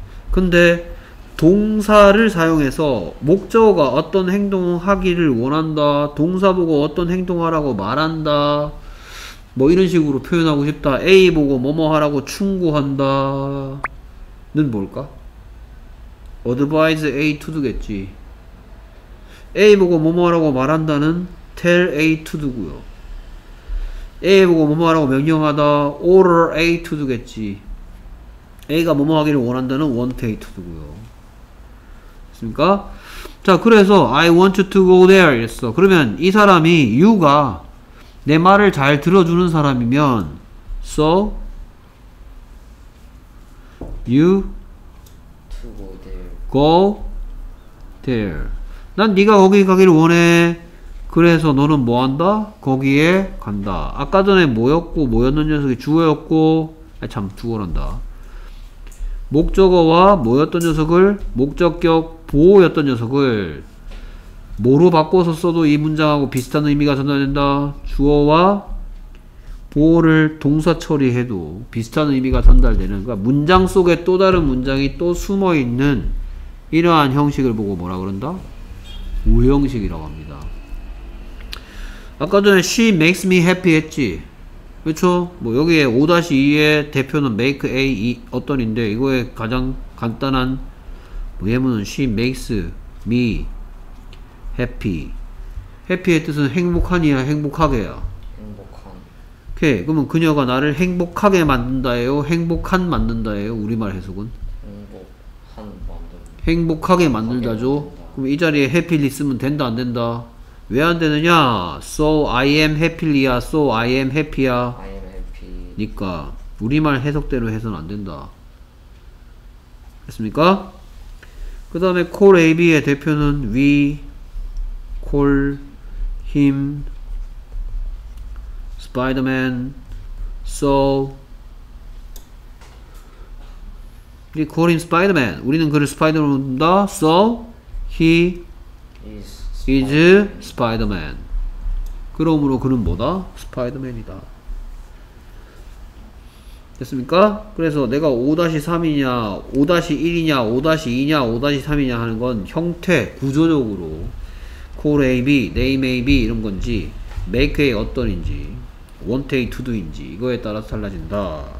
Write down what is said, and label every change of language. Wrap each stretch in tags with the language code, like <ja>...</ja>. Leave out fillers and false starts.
<ko>근데 동사를 사용해서 목적어가 어떤 행동을 하기를 원한다, 동사 보고 어떤 행동하라고 말한다, 뭐 이런 식으로 표현하고 싶다, A 보고 뭐뭐 하라고 충고한다 는 뭘까?</ko> <en>Advise A to do겠지.</en> <ko>A 보고 뭐뭐 하라고 말한다는</ko> <en>Tell A to do</en> <ko>고요. A 보고 뭐뭐 하라고 명령하다,</ko> <en>order A to do</en> <ko>겠지. A가 뭐뭐 하기를 원한다는</ko> <en>want A to do</en> <ko>고요. 됐습니까? 자, 그래서</ko> <en>I want you to go there</en> <ko>이랬어. 그러면 이 사람이, you가 내 말을 잘 들어주는 사람이면,</ko> <en>so you to go there.</en> <ko>난 네가 거기 가기를 원해. 그래서 너는 뭐 한다? 거기에 간다. 아까 전에 뭐였고, 뭐였는 녀석이 주어였고, 주어란다. 목적어와 뭐였던 녀석을, 목적격 보호였던 녀석을 뭐로 바꿔서 써도 이 문장하고 비슷한 의미가 전달된다. 주어와 보호를 동사 처리해도 비슷한 의미가 전달되는, 그러니까 문장 속에 또 다른 문장이 또 숨어 있는 이러한 형식을 보고 뭐라 그런다? 5형식이라고 합니다. 아까 전에</ko> <en>she makes me happy</en> <ko>했지. 그렇죠? 뭐 여기에 5-2의 대표는 make a 어떤인데, 이거의 가장 간단한 예문은</ko> <en>she makes me happy.</en> <ko>happy의 뜻은 행복하니야, 행복하게야. 행복한. 오케이. 그러면 그녀가 나를 행복하게 만든다예요, 행복한 만든다예요? 우리말 해석은 행복한 만든다. 행복하게 만들다죠. 그럼 이 자리에 happily 쓰면 된다 안 된다? 왜 안 되느냐?</ko> <en>So I am happily야. So I am happy야. I am happy니까</en> <ko>우리말 해석대로 해서는 안 된다. 됐습니까? 그 다음에</ko> <en>call AB의 대표는 we call him Spider-Man. So we call him Spider-Man.</en> <ko>우리는 그를 스파이더맨으로 부른다.</ko> <en>So he is Spider-Man.</en> <ko>그러므로 그는 뭐다? 스파이더맨이다. 됐습니까? 그래서 내가 5-3이냐 5-1이냐 5-2냐 5-3이냐 하는 건 형태, 구조적으로 call A, B, name A, B 이런 건지, make A 어떤인지, want A, to do인지 이거에 따라서 달라진다.</ko>